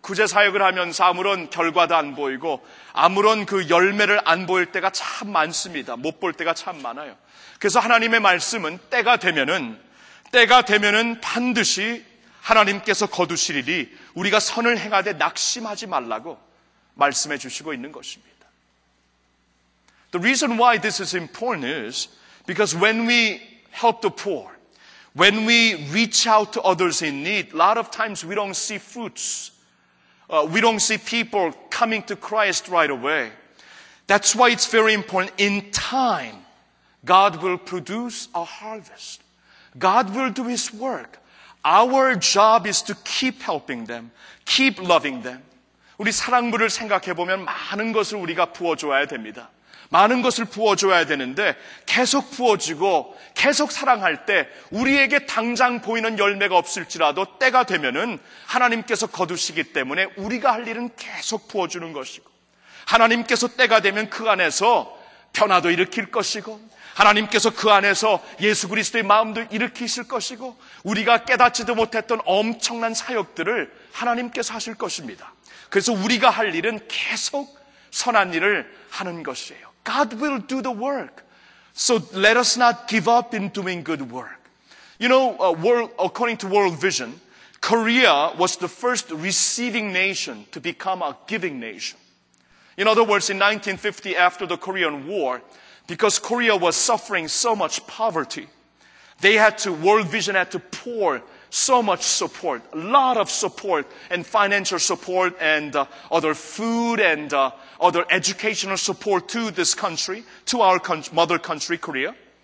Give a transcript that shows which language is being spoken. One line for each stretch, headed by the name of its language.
Korean: 구제 사역을 하면서 아무런 결과도 안 보이고 아무런 그 열매를 안 보일 때가 참 많습니다. 못 볼 때가 참 많아요. 그래서 하나님의 말씀은 때가 되면은 반드시 하나님께서 거두시리니 우리가 선을 행하되 낙심하지 말라고 말씀해 주시고 있는 것입니다.
English: The reason why this is important is because when we help the poor, when we reach out to others in need, a lot of times we don't see fruits. We don't see people coming to Christ right away. That's why it's very important. In time, God will produce a harvest. God will do His work. Our job is to keep helping them, keep loving them.
Korean: 우리 사랑부를 생각해보면 많은 것을 우리가 부어줘야 됩니다. 많은 것을 부어줘야 되는데 계속 부어주고 계속 사랑할 때 우리에게 당장 보이는 열매가 없을지라도 때가 되면은 하나님께서 거두시기 때문에 우리가 할 일은 계속 부어주는 것이고 하나님께서 때가 되면 그 안에서 변화도 일으킬 것이고 하나님께서 그 안에서 예수 그리스도의 마음도 일으키실 것이고 우리가 깨닫지도 못했던 엄청난 사역들을 하나님께서 하실 것입니다. 그래서 우리가 할 일은 계속 선한 일을 하는 것이에요.
English: God will do the work. So let us not give up in doing good work. You know, according to World Vision, Korea was the first receiving nation to become a giving nation. In other words, in 1950, after the Korean War, because Korea was suffering so much poverty, World Vision had to pour so much support, a lot of support and financial support and other food and other educational support to this country, to our mother country, Korea.